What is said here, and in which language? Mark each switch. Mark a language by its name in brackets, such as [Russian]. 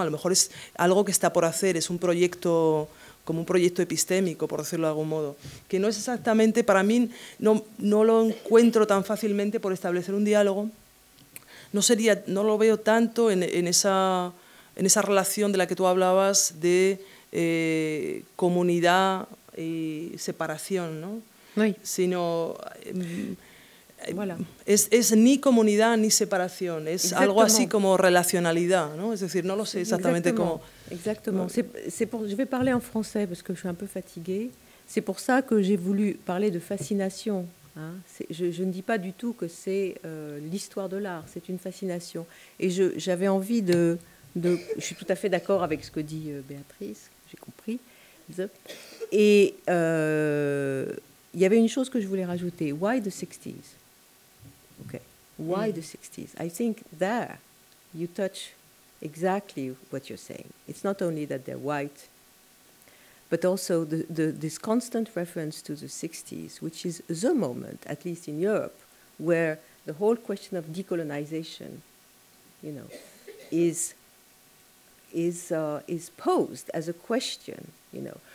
[Spanish] A lo mejor es algo que está por hacer, es un proyecto, como un proyecto epistémico, por decirlo de algún modo, que no es exactamente, para mí, no lo encuentro tan fácilmente por establecer un diálogo, no lo veo tanto en esa relación de la que tú hablabas de comunidad y separación, ¿no? Sino es ni comunidad ni separación, es exactement. Algo así como relacionalidad, ¿no? Es decir, no lo sé exactamente cómo. [French] Exactement. Je vais parler en français parce que je suis un peu fatiguée. C'est pour ça que j'ai voulu parler de fascination. Hein. Je ne dis pas du tout que c'est l'histoire de l'art, c'est une fascination. Et j'avais envie de Donc, je suis tout à fait d'accord avec ce que dit Béatrice, j'ai compris. Et il y avait une chose que je voulais rajouter. [English] Why the 60s? Okay. Why the 60s? I think there you touch exactly what you're saying. It's not only that they're white, but also the this constant reference to the 60s, which is the moment, at least in Europe, where the whole question of decolonization, you know, is posed as a question, you know.